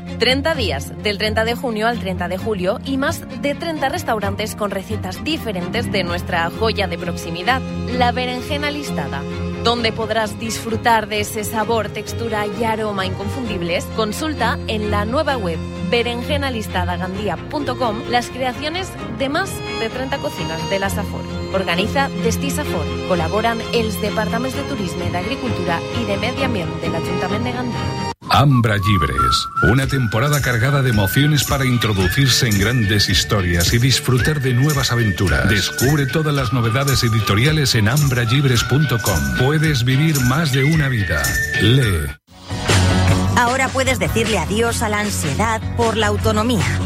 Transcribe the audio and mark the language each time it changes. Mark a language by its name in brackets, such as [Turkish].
[Spanish] 30 días, del 30 de junio al 30 de julio, y más de 30 restaurantes con recetas diferentes de nuestra joya de proximidad, la berenjena listada, donde podrás disfrutar de ese sabor, textura y aroma inconfundibles. Consulta en la nueva web berenjenalistadagandia.com las creaciones de más de 30 cocinas de la Safor. Organiza Destisafor. [Catalan] Colaboran els departaments de turisme, d'agricultura i de medi ambient de l'Ajuntament de Gandia. [Spanish] Ambra Llibres, una temporada cargada de emociones para introducirse en grandes historias y disfrutar de nuevas aventuras. Descubre todas las novedades editoriales en ambralibres.com. Puedes vivir más de una vida. Lee. Ahora puedes decirle adiós a la ansiedad por la autonomía.